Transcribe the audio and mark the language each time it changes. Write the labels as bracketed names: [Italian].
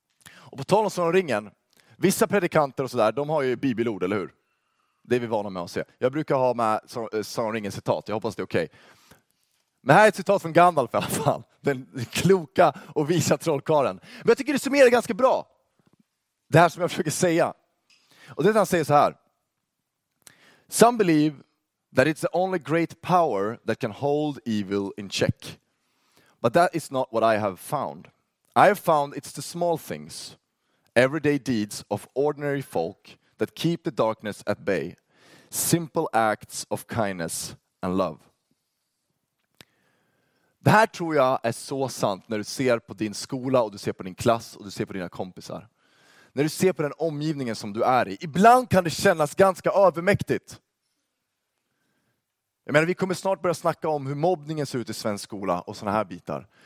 [Swedish] Och på tal om Sagan om ringen, vissa predikanter och sådär, de har ju bibelord, eller hur? Det är vi vana med att se. Jag brukar ha med Sagan om ringen citat, jag hoppas det är okej. Men här är ett citat från Gandalf i alla fall. Den kloka och visa trollkaren. Men jag tycker det summerar ganska bra. Det här som jag försöker säga. Och det är att han säger så här. [English] Some believe that it's the only great power that can hold evil in check. But that is not what I have found. I have found it's the small things, everyday deeds of ordinary folk that keep the darkness at bay, simple acts of kindness and love. [Swedish] Det här tror jag är så sant när du ser på din skola och du ser på din klass och du ser på dina kompisar. När du ser på den omgivningen som du är i. Ibland kan det kännas ganska övermäktigt. Jag menar, vi kommer snart börja snacka om hur mobbningen ser ut i svensk skola och såna här bitar.